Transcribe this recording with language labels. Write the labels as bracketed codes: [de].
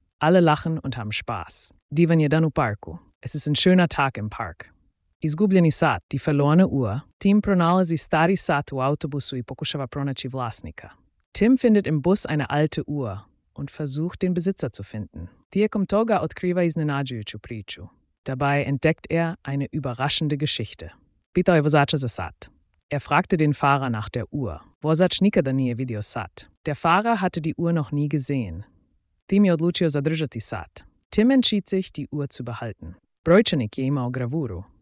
[de] Alle lachen und haben Spaß. [hr] Divan je dan u parku. [de] Es ist ein schöner Tag im Park. [hr] Izgubljeni sat, [de] die verlorene Uhr. [hr] Tim pronalazi stari sat u autobusu i pokušava pronaći vlasnika. [de] Tim findet im Bus eine alte Uhr und versucht, den Besitzer zu finden. [hr] Tijekom toga otkriva iznenađujuću priču. [de] Dabei entdeckt er eine überraschende Geschichte. [hr] Pitao je vozača za sat. [de] Er fragte den Fahrer nach der Uhr. [hr] Vozač nikada nije vidio sat. [de] Der Fahrer hatte die Uhr noch nie gesehen. [hr] Tim je odlučio zadržati sat. [de] Tim entschied sich, die Uhr zu behalten. [hr] Brojčanik je imao gravuru.